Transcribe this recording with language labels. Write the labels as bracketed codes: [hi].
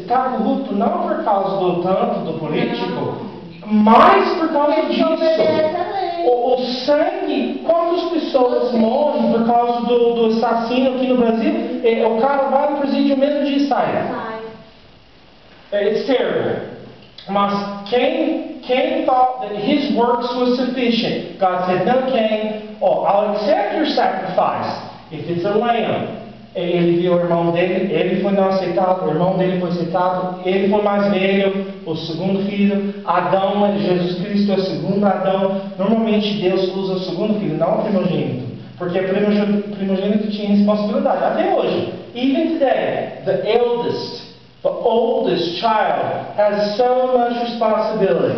[pt] Está corrupto não por causa do tanto do político, mas por causa disso. O sangue, quantas pessoas morrem por causa do assassino aqui no Brasil? O cara vai para o presídio mesmo de saia. [en] It's terrible. [pt] Mas quem [en] thought that his works was sufficient? God said, no, Cain, oh, I'll accept your sacrifice if it's a lamb. [pt] Ele viu o irmão dele, ele foi não aceitado, o irmão dele foi aceitado, ele foi mais velho, o segundo filho, Adão, Jesus Cristo é o segundo Adão. Normalmente Deus usa o segundo filho, não o primogênito, porque o primogênito tinha responsabilidade, até hoje. [en] Even today, the oldest child has so much responsibility.